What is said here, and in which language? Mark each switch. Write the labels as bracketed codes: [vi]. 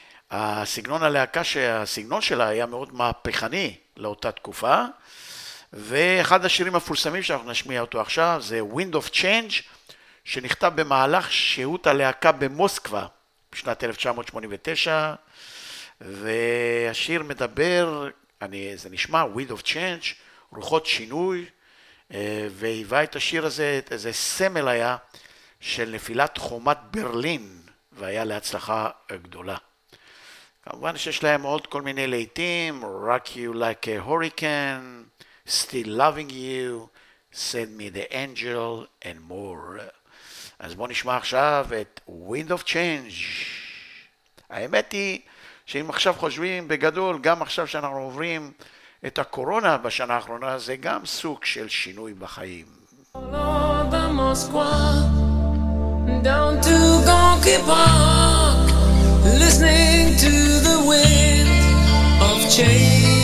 [he] הסגנון הלהקה, הסגנון שלה היה מאוד מהפכני לאותה תקופה, ואחד השירים המפורסמים שאנחנו נשמיע אותו עכשיו זה Wind of Change, שנכתב במהלך שהות הלהקה במוסקווה בשנת 1989, והשיר מדבר, זה נשמע Wind of Change, רוחות שינוי, והיווה את השיר הזה, איזה סמל היה של נפילת חומת ברלין, והיה להצלחה גדולה. כמובן שיש להם עוד כל מיני לעתים, Rock You Like a Hurricane, Still Loving You, Send Me the Angel, [en] and more. [he] אז בוא נשמע עכשיו את Wind of Change. האמת היא שאם עכשיו חושבים בגדול, גם עכשיו שאנחנו עוברים את הקורונה בשנה האחרונה, זה גם סוג של שינוי בחיים. [en] All over Moscow, down to Gorky Park, listening to the wind of change.